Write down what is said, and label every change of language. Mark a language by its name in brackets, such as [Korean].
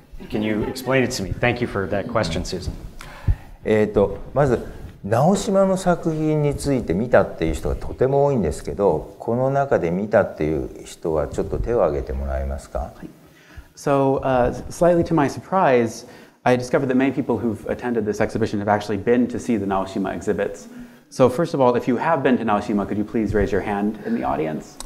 [English] Can you explain it to me? Thank you for that question, Susan. [Japanese] まず直島の作品について見たっていう人がとても多いんですけど、この中で見たっていう人はちょっと手を挙げてもらえますか。 [English] So, slightly to my surprise, I discovered that many people who've attended this exhibition have actually been to see the Naoshima exhibits. So first of all, if you have been to Naoshima, could you please raise your hand in the audience?